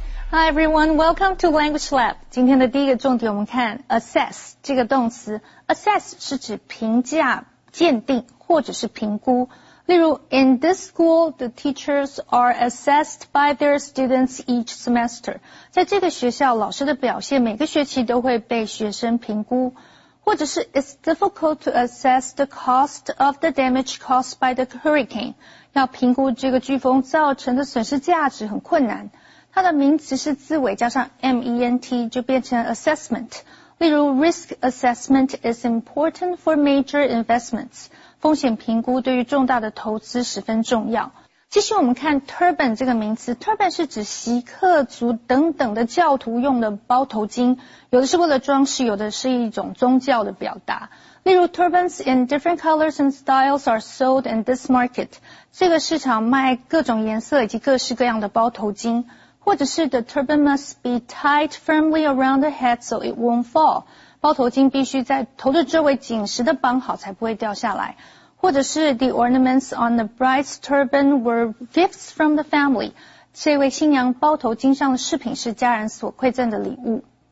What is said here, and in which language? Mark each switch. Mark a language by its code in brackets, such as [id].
[en] Hi everyone, welcome to Language Lab. [zh] 今天的第一个重点我们看 assess 这个动词。 assess 是指评价、鉴定或者是评估。例如 [en] ,in this school, the teachers are assessed by their students each semester. [zh] 在这个学校老师的表现每个学期都会被学生评估。或者是 [en] it's difficult to assess the cost of the damage caused by the hurricane. [zh] 要评估这个飓风造成的损失价值很困难。它的名词是字尾加上 ment 就变成 assessment。例如 [en] risk assessment is important for major investments。 [zh] 风险评估对于重大的投资十分重要。继续我们看 turban 这个名词。 turban 是指锡克族等等的教徒用的包头巾。有的是为了装饰，有的是一种宗教的表达。例如 [en] turbans in different colors and styles are sold in this market。 [zh] 这个市场卖各种颜色以及各式各样的包头巾。或者是 [en] the turban must be tied firmly around the head so it won't fall. [zh] 包头巾必须在头的周围紧实地绑好才不会掉下来。或者是 [en] the ornaments on the bride's turban were gifts from the family. [zh] 这位新娘包头巾上的饰品是家人所馈赠的礼物。